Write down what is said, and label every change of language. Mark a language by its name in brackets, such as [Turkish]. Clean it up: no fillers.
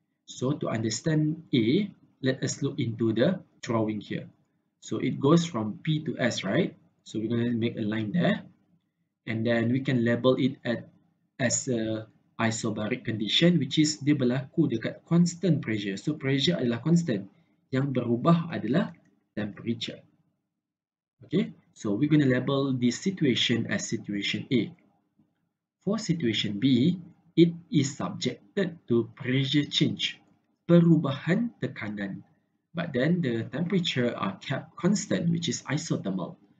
[English] So to understand A, let us look into the drawing here. So it goes from P to S, right? So we're going to make a line there. And then we can label it as a isobaric condition, which is [Malay] dia berlaku dekat [English] constant pressure. [Malay] So pressure adalah constant. Yang berubah adalah temperature. [English] Okay, so we're going to label this situation as situation A. For situation B, it is subjected to pressure change, [Malay] perubahan tekanan. [English] But then the temperature are kept constant, which is isothermal.